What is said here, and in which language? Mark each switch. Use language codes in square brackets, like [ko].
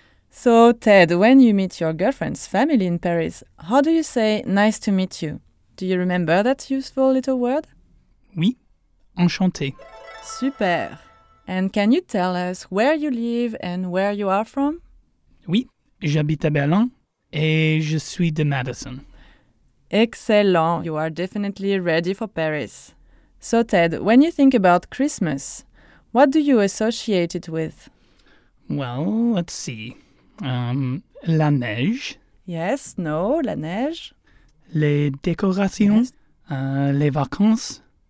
[en] So, Ted, when you meet your girlfriend's family in Paris, how do you say nice to meet you? Do you remember that useful little word? [fr] Oui, enchanté. [en] Super. And can you tell us where you live and where you are from? [fr] Oui, j'habite à Berlin et je suis de Madison. [en] Excellent. You are definitely ready for Paris. So, Ted, when you think about Christmas, what do you associate it with? Well, let's see. [fr] La neige. [en] Yes, no, [fr] la neige. Les décorations. [en] Yes. [fr] Les vacances.